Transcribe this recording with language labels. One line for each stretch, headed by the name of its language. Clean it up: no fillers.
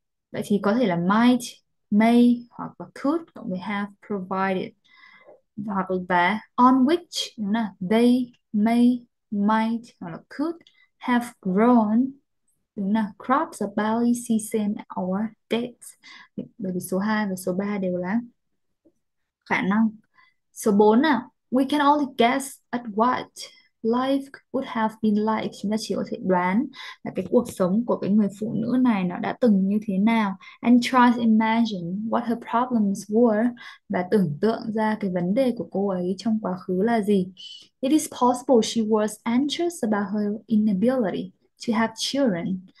Vietnamese: Vậy thì có thể là might, may hoặc là could cộng với have provided, hoặc là on which, đúng là they may, might hoặc là could have grown, đúng là
English: crops of barley, sesame or dates.
Vietnamese: Bởi vì số 2 và số 3 đều là khả năng. Số 4 nào,
English: we can only guess at what life would have been like.
Vietnamese: Chúng ta chỉ có thể đoán là cái cuộc sống của cái người phụ nữ này nó đã từng như thế nào,
English: and try to imagine what her problems were,
Vietnamese: và tưởng tượng ra cái vấn đề của cô ấy trong quá khứ là gì.
English: It is possible she was anxious about her inability to have children.